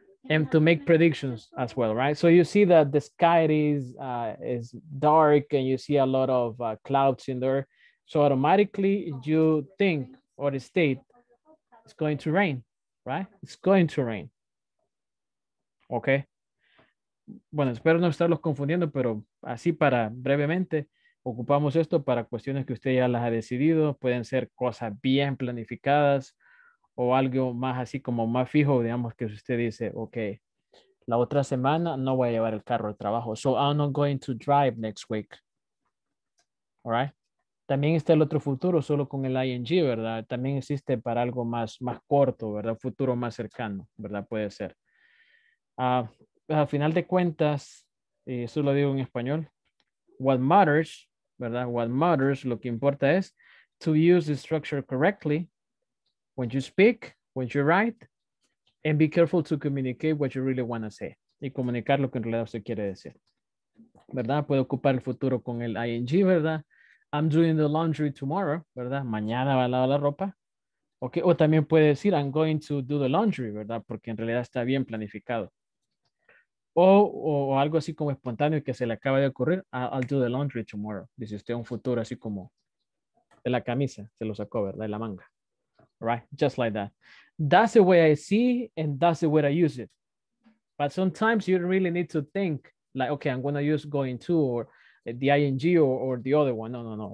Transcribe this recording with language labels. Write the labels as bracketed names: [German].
[English] And to make predictions as well, right? So you see that the sky is dark and you see a lot of clouds in there. So automatically you think or the state it's going to rain, right? It's going to rain, okay? [Spanish] Bueno, espero no estarlos confundiendo, pero así para brevemente, ocupamos esto para cuestiones que usted ya las ha decidido, pueden ser cosas bien planificadas, o algo más así como más fijo, digamos que usted dice, okay, la otra semana no voy a llevar el carro al trabajo. [English] So I'm not going to drive next week. All right. [Spanish] También está el otro futuro solo con el ING, ¿verdad? También existe para algo más corto, ¿verdad? Futuro más cercano, ¿verdad? Puede ser. Al final de cuentas, y eso lo digo en español, [English] what matters, [Spanish] ¿verdad? [English] What matters, [Spanish] lo que importa es [English] to use the structure correctly. When you speak, when you write, and be careful to communicate what you really want to say. [Spanish] Y comunicar lo que en realidad usted quiere decir. ¿Verdad? Puedo ocupar el futuro con el ING, ¿verdad? [English] I'm doing the laundry tomorrow, [Spanish] ¿verdad? Mañana va a lavar la ropa. Okay. O también puede decir, [English] I'm going to do the laundry, [Spanish] ¿verdad? Porque en realidad está bien planificado. O algo así como espontáneo que se le acaba de ocurrir, [English] I'll do the laundry tomorrow. [Spanish] Dice usted un futuro así como de la camisa, se lo sacó, ¿verdad? De la manga. [English] Right, just like that. That's the way I see, and that's the way I use it. But sometimes you really need to think, like, okay, I'm going to use going to or the ing or the other one. No.